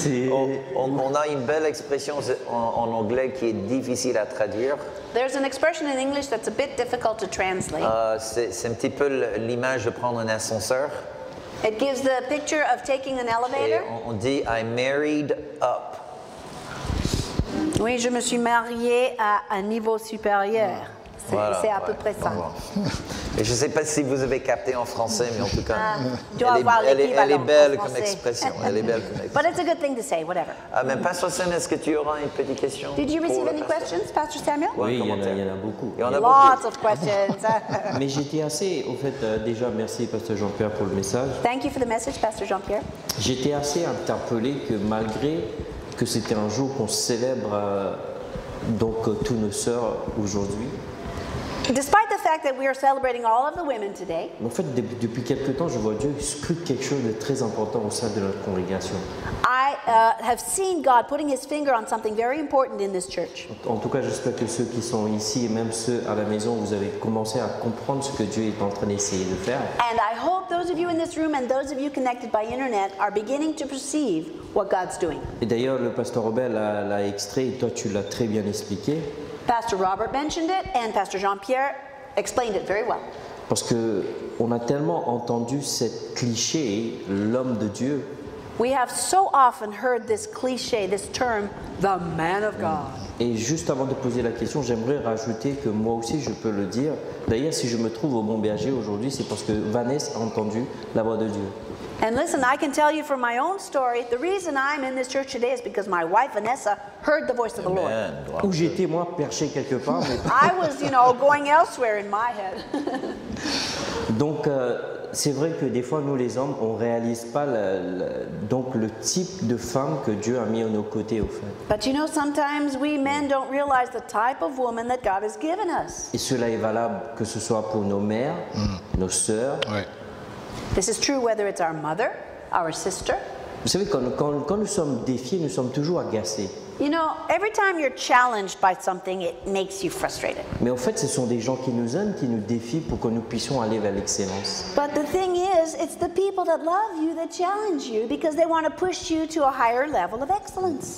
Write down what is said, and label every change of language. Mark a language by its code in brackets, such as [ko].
[fr] On a une belle expression en anglais qui est difficile à traduire. [en] There's an expression in English that's a bit difficult to translate. [fr] C'est un petit peu l'image de prendre un ascenseur. [en] It gives the picture of taking an elevator. [fr] Et on dit [en] I married up. [fr] Oui, je me suis mariée à un niveau supérieur. Ouais. C'est à peu près ça. Et je ne sais pas si vous avez capté en français, mais en tout cas, elle est belle comme expression. Elle est belle comme expression. [en] But it's a good thing to say, whatever. [fr] Mais Pasteur Sam, est-ce que tu auras une petite question? [en] Did you receive any questions, Pastor Samuel? [fr] Oui, il y en a beaucoup. [en] Lots of questions. [fr] Mais j'étais assez, au fait, déjà, merci Pasteur Jean-Pierre pour le message. [en] Thank you for the message, Pasteur Jean-Pierre. [fr] J'étais assez interpellé que malgré que c'était un jour qu'on célèbre donc toutes nos sœurs aujourd'hui. [en] Despite the fact that we are celebrating all of the women today, [fr] en fait, depuis quelque temps, je vois Dieu scrute quelque chose de très important au sein de notre congrégation. [en] I have seen God putting His finger on something very important in this church. [fr] En tout cas, j'espère que ceux qui sont ici et même ceux à la maison, vous avez commencé à comprendre ce que Dieu est en train d'essayer de faire. [en] And I hope those of you in this room and those of you connected by internet are beginning to perceive what God's doing. [fr] Et d'ailleurs, le pasteur Robert l'a extrait et toi, tu l'as très bien expliqué. [en] Pastor Robert mentioned it and Pastor Jean-Pierre explained it very well. [fr] Parce que on a tellement entendu cette cliché l'homme de Dieu. [en] We have so often heard this cliché, this term, the man of God. [fr] Et juste avant de poser la question, j'aimerais rajouter que moi aussi je peux le dire. D'ailleurs, si je me trouve au Bon Berger aujourd'hui, c'est parce que Vanessa a entendu la voix de Dieu. [en] And listen, I can tell you from my own story, the reason I'm in this church today is because my wife Vanessa heard the voice of the Lord. [fr] Où j'étais moi perché quelque part. [en] I was, you know, going elsewhere in my head. [fr] Donc c'est vrai que des fois nous les hommes on réalise pas le type de femme que Dieu a mis à nos côtés au fait. [en] But you know sometimes we men don't realize the type of woman that God has given us. [fr] Et cela est valable que ce soit pour nos mères, nos sœurs. Ouais. [en] This is true whether it's our mother, our sister. [fr] Vous savez, quand nous sommes défiés, nous sommes toujours agacés. [en] You know, every time you're challenged by something, it makes you frustrated. [fr] Mais en fait, ce sont des gens qui nous aiment, qui nous défient pour que nous puissions aller vers l'excellence. [en] But the thing is, it's the people that love you that challenge you because they want to push you to a higher level of excellence.